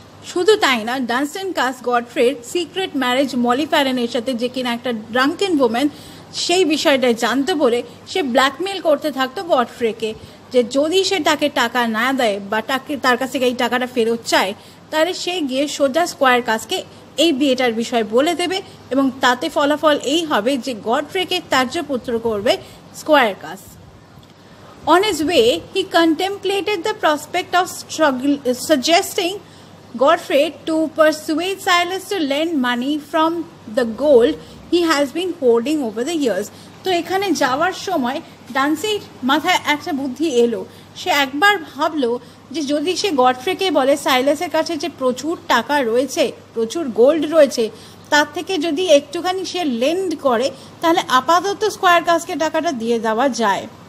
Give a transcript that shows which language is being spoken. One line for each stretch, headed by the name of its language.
Bangla: শুধু তাই না, ডানস্টন কাস্ট গডফ্রের সিক্রেট ম্যারেজ মলি ফ্যারেনের সাথে, যে কিনা একটা ড্রাঙ্কেন ওম্যান, সেই বিষয়টা জানতে পারে সে ব্ল্যাকমেল করতে থাকতো গডফ্রেকে, যে যদি সে তাকে টাকা না দেয় বা তাকে তার কাছ থেকে এই টাকাটা ফেরত চায়, তাহলে সে গিয়ে সোজা স্কোয়ার কাস্টকে এই বিয়েটার বিষয় বলে দেবে, এবং তাতে ফলাফল এই হবে যে গডফ্রেকে ত্যাজ্য পুত্র করবে square caste.
English: On his way he contemplated the prospect of struggle suggesting Godfrey to persuade Silas to lend money from the gold he has been hoarding over the years.
Bangla: তো এখানে যাওয়ার সময় ডান্সির মাথায় একটা বুদ্ধি এলো। সে একবার ভাবলো যে যদি সে গডফ্রেকে বলে সাইলাসের কাছে যে প্রচুর টাকা রয়েছে, প্রচুর গোল্ড রয়েছে, তার থেকে যদি একটুখানি সে লেন্ড করে, তাহলে আপাতত স্কোয়ার কাস্টকে টাকাটা দিয়ে দেওয়া যায়।